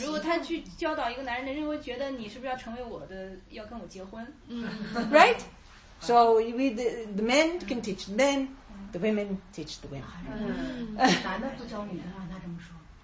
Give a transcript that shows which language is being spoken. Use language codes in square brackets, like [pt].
[zh] 如果他去教导一个男人，男人会觉得你是不是要成为我的，要跟我结婚？ [en] Right? So we the men can teach men, The women teach the women. [zh] 男的不教女的，让他这么说。